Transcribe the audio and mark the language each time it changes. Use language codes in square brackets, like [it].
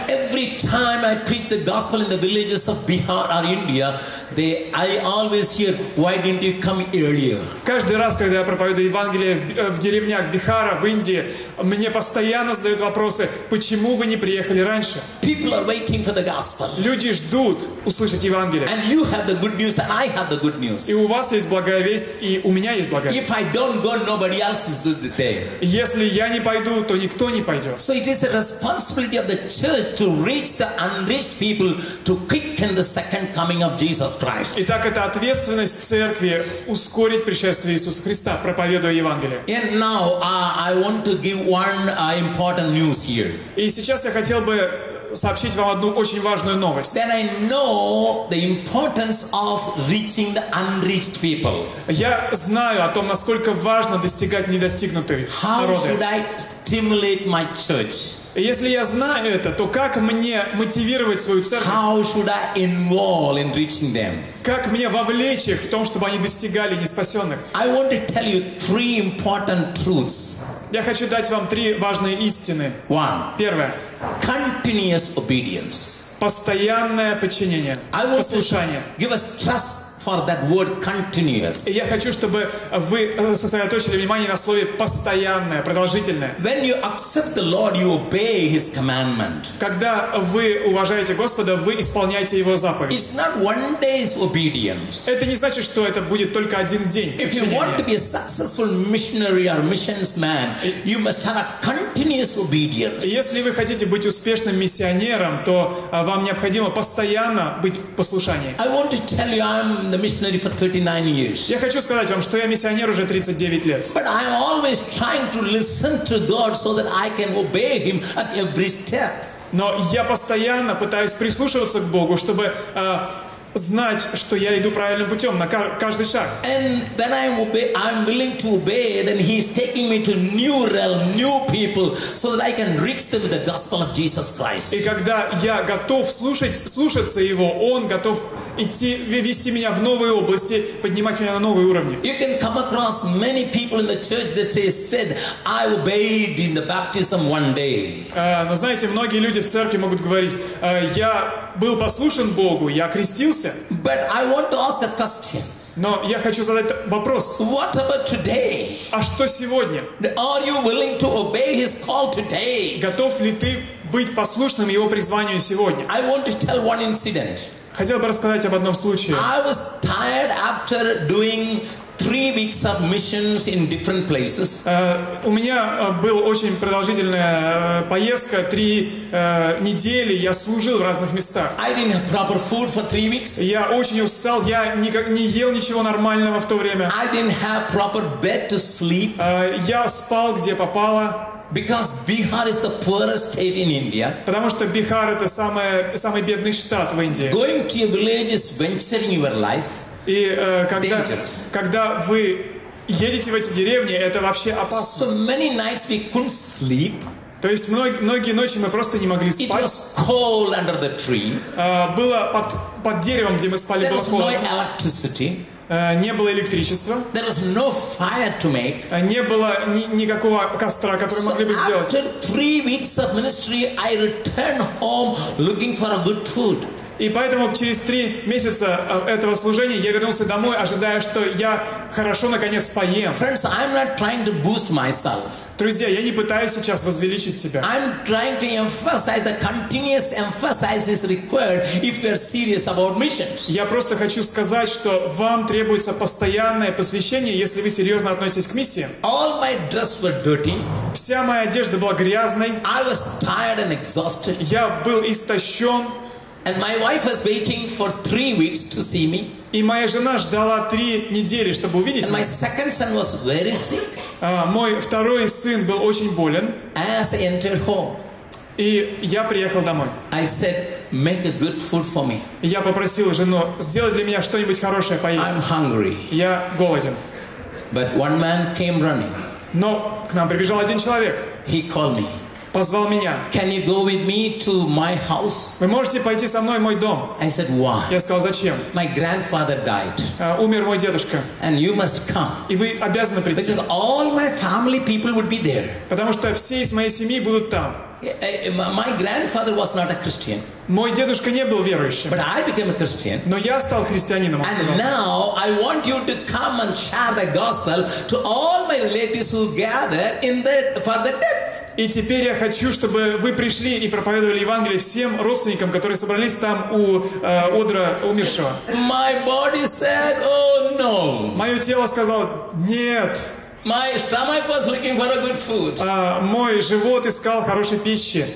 [en] Every time I preach the gospel in the villages of Bihar or India, I always hear, why didn't you come earlier? [ru] Каждый раз, когда я проповедую Евангелие в деревнях Бихара в Индии, мне постоянно задают вопросы, почему вы не приехали раньше? [en] People are waiting for the gospel. [ru] Люди ждут услышать Евангелие. [en] And you have the good news, and I have the good news. [ru] И у вас есть благая весть, и у меня есть благая весть. [en] If I don't go, nobody else is good today. [ru] Если я не пойду, то никто не пойдет. [en] So it is the responsibility of the church to reach the unreached people to quicken the second coming of Jesus. [ru] Итак, это ответственность церкви ускорить пришествие Иисуса Христа, проповедуя Евангелие. [en] And now, I want to give one, important news here. [ru] И сейчас я хотел бы сообщить вам одну очень важную новость. [en] Then I know the importance of reaching the unreached people. [ru] Я знаю о том, насколько важно достигать недостигнутых народов. [en] How should I stimulate my church? [ru] Если я знаю это, то как мне мотивировать свою церковь? [en] How should I involve in reaching them? [ru] Как мне вовлечь их в том, чтобы они достигали неспасенных? [en] I want to tell you three important truths. [ru] Я хочу дать вам три важные истины. [en] One. [ru] Первое. [en] Continuous obedience. [ru] Постоянное подчинение. [en] I want [ru] послушание. [en] To give us trust for that word continuous. [ru] И я хочу, чтобы вы сосредоточили внимание на слове постоянное, продолжительное. [en] When you accept the Lord, you obey His commandment. [ru] Когда вы уважаете Господа, вы исполняете Его заповедь. [en] It's not one day's obedience. [ru] Это не значит, что это будет только один день. [en] If you want to be a successful missionary or missions man, you must have a continuous obedience. [ru] Если вы хотите быть успешным миссионером, то вам необходимо постоянно быть послушанием. [en] I want to tell you, I'm the missionary for 39 years. [ru] Я хочу сказать вам, что я миссионер уже 39 лет. [en] But I'm always trying to listen to God so that I can obey Him at every step. [ru] Но я постоянно пытаюсь прислушиваться к Богу, чтобы знать, что я иду правильным путем на каждый шаг. [en] And when I'm willing to obey, then He's taking me to new realm, new people, so that I can reach them with the gospel of Jesus Christ. [ru] И когда я готов слушаться Его, Он готов идти, вести меня в новые области, поднимать меня на новые уровни. [en] You can come across many people in the church that said, I obeyed in the baptism one day. [ru] Но знаете, многие люди в церкви могут говорить, я был послушен Богу, я крестился. [en] But I want to ask a question. [ru] Но я хочу задать вопрос. [en] What about today? [ru] А что сегодня? [en] Are you willing to obey His call today? [ru] Готов ли ты быть послушным Его призванию сегодня? [en] I want to tell one incident. [ru] Хотел бы рассказать об одном случае. [en] I was tired after doing 3 weeks of missions in different places. [ru] У меня был очень продолжительная поездка, 3 недели я служил в разных местах. [en] I didn't have proper food for 3 weeks. [ru] Я очень устал, я не ел ничего нормального в то время. [en] I didn't have proper bed to sleep. [ru] Я спал где попало. [en] Because Bihar is the poorest state in India. [ru] Потому что Бихар это самый бедный штат в Индии. [en] Going to a village is venturing your life. [ru] И когда вы едете в эти деревни, это вообще опасно. [en] So many nights we couldn't sleep. [ru] То есть многие ночи мы просто не могли спать. [en] It was cold under the tree. [ru] Было под деревом, где мы спали, было холодно. [en] There was no electricity. [ru] Не было электричества. [en] There was no fire to make. [ru] Не было никакого костра, который могли бы сделать. [en] After 3 weeks of ministry, I returned home looking for a good food. [ru] И поэтому через три месяца этого служения я вернулся домой, ожидая, что я хорошо наконец поем. [en] Friends, I'm not trying to boost myself. [ru] Друзья, я не пытаюсь сейчас возвеличить себя. [en] I'm trying to emphasize the continuous emphasis is required if you're serious about missions. [ru] Я просто хочу сказать, что вам требуется постоянное посвящение, если вы серьезно относитесь к миссии. [en] All my dress were dirty. [ru] Вся моя одежда была грязной. [en] I was tired and exhausted. [ru] Я был истощен. [en] And my wife was waiting for 3 weeks to see me. [ru] И моя жена ждала 3 недели, чтобы увидеть меня. [en] And my second son was very sick. [ru] Мой второй сын был очень болен. [en] As I entered home. [ru] И я приехал домой. [en] I said, make a good food for me. [ru] Я попросил жену сделать для меня что-нибудь хорошее поесть. [en] I'm hungry. [ru] Я голоден. [en] But one man came running. [ru] Но к нам прибежал один человек. [en] He called me. [ru] Позвал меня. [en] Can you go with me to my house? [ru] Вы можете пойти со мной в мой дом? [en] I said, why? [ru] Я сказал, зачем? [en] My grandfather died. [ru] Умер мой дедушка. [en] And you must come. [ru] И вы обязаны прийти. [en] Because all my family people would be there. [ru] Потому что все из моей семьи будут там. [en] My grandfather was not a Christian. [ru] Мой дедушка не был верующим. [en] But I became a Christian. [ru] Но я стал христианином. [en] And now I want you to come and share the gospel to all my relatives who gather in the for the death. [ru] И теперь я хочу, чтобы вы пришли и проповедовали Евангелие всем родственникам, которые собрались там у одра умершего. [en] My body said, oh, no. [ru] Мое тело сказало, нет. [en] My stomach was looking for a good food. [ru] Мой живот искал хорошей пищи.